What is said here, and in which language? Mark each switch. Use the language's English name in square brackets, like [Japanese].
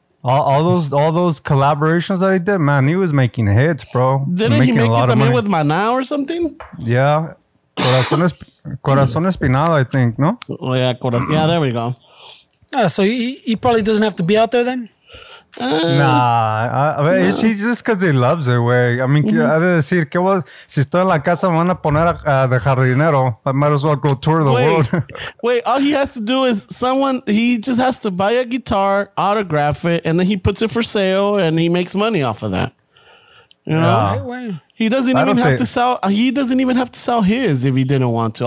[English] All those collaborations that he did, man, he was making hits, bro. Didn't he make a lot of money with Maná or something? Yeah. Corazón Espinado, I think, no? Oh, yeah, Corazón. Yeah, there we go. So he probably doesn't have to be out there then? Nah, he's just because he loves it, güey. I mean, mm-hmm. [Spanish] I decir que was, si estoy en la casa, me van a poner de jardinero. [English] I might as well go tour the world. Wait, all he has to do is he just has to buy a guitar, autograph it, and then he puts it for sale and he makes money off of that. You know? Yeah. He doesn't even have to sell. He doesn't even have to sell his if he didn't want to.